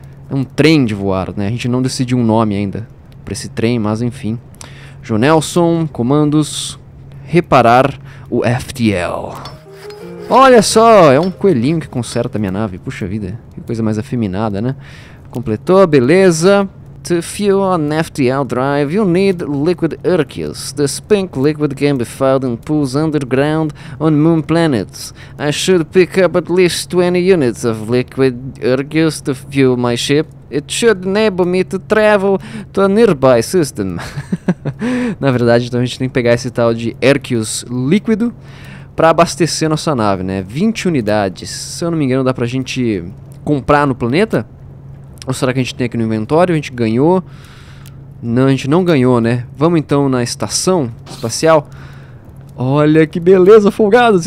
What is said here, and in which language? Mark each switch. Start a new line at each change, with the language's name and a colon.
Portuguese: É um trem de voar, né? A gente não decidiu um nome ainda pra esse trem, mas enfim. Jonelson, comandos, reparar. O FTL. Olha só, é um coelhinho que conserta a minha nave. Puxa vida, que coisa mais afeminada, né? Completou, beleza.
English: To fuel an FTL drive, you need liquid Urkius. This pink liquid can be found in pools underground on moon planets. I should pick up at least 20 units of liquid Urkius to fuel my ship. It should enable me to travel to a nearby system.
Portuguese: Na verdade, então a gente tem que pegar esse tal de Urkius líquido para abastecer nossa nave, né? 20 unidades. Se eu não me engano, dá pra gente comprar no planeta? Ou será que a gente tem aqui no inventório? A gente ganhou? Não, a gente não ganhou, né? Vamos então na estação espacial. Olha que beleza, folgados!